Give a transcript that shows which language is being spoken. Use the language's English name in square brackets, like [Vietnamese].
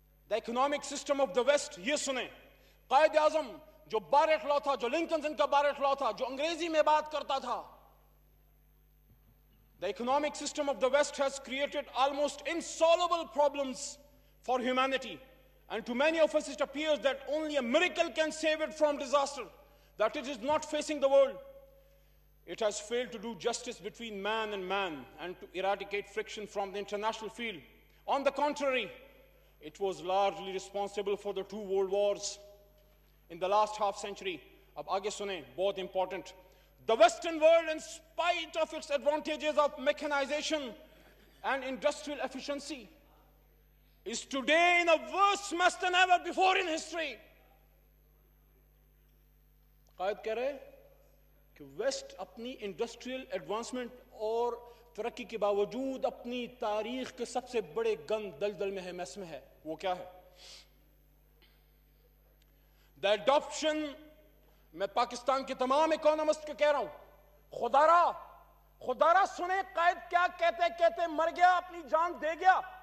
[English] the economic system of the west, [Urdu] یہ سنیں، قائد اعظم جو بارٹ لا تھا، جو لنکنزن کا بارٹ لا تھا، جو انگریزی میں بات کرتا تھا، [English] the economic system of the west has created almost insoluble problems for humanity, and to many of us it appears that only a miracle can save it from disaster that it is not facing the world. It has failed to do justice between man and man and to eradicate friction from the international field. On the contrary, it was largely responsible for the 2 world wars in the last half century. [Urdu] Ab aage sunein, bahut [English] important. The Western world, in spite of its advantages of mechanization and industrial efficiency, is today in a worse mess than ever before in history. [Urdu] قائد کہہ رہے کہ waste اپنی industrial advancement اور ترقی کے باوجود اپنی تاریخ کے سب سے بڑے گند دلدل میں ہے، میس میں ہے۔ وہ کیا ہے؟ [English] the adoption, [Urdu] میں پاکستان کے تمام اکانومسٹ کو کہہ رہا ہوں، خدا را سنیں قائد کیا کہتے کہتے مر گیا، اپنی جان دے گیا،